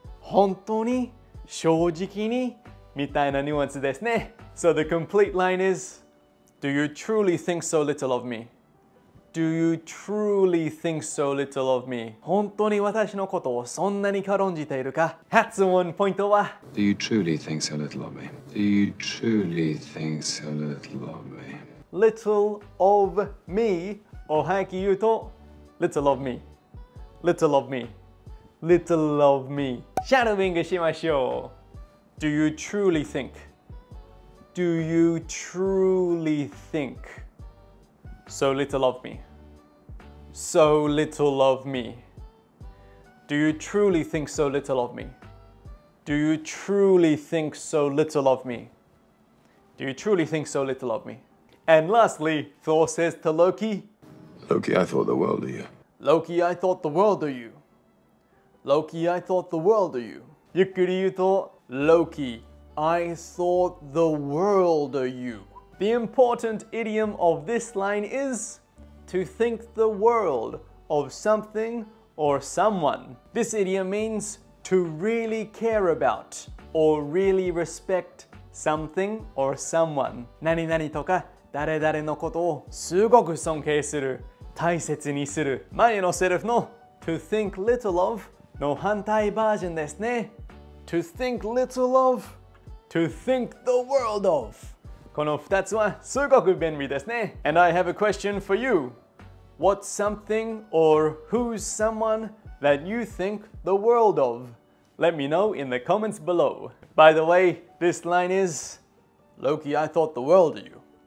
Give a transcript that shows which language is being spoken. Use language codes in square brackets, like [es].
[ja] 本当に、正直に、みたいなニュアンスですね。 [en] So the complete line is,Do you truly think so little of me? Do you truly think so little of me? [ja] 本当に私のことをそんなに軽んじているか? [en] That's one point [ja] は? [en] Do you truly think so little of me? Do you truly think so little of me? Little of me, [ja] を早く言うと, [en] little of me, little of me, little of me. [ja] シャドウイングしましょう。 [en] Do you truly think? Do you truly think so little of me? So little of me. Do you truly think so little of me? Do you truly think so little of me? Do you truly think so little of me? And lastly, Thor says to Loki, Loki, I thought the world of you. Loki, I thought the world of you. Loki, I thought the world of you. [ja] ゆっくり言うと、 [en] Loki, I thought the world of you. The important idiom of this line is to think the world of something or someone. This idiom means to really care about or really respect something or someone. [ja] 何々とか誰々のことをすごく尊敬する、大切にする。前のセリフの [en] to think little of [ja] の反対バージョンですね。 [en] To think little of, to think the world of. [ja] この2つはすごく便利ですね。 [en] And I have a question for you. What's something or who's someone that you think the world of? Let me know in the comments below. By the way, this line is, Loki, I thought the world of you.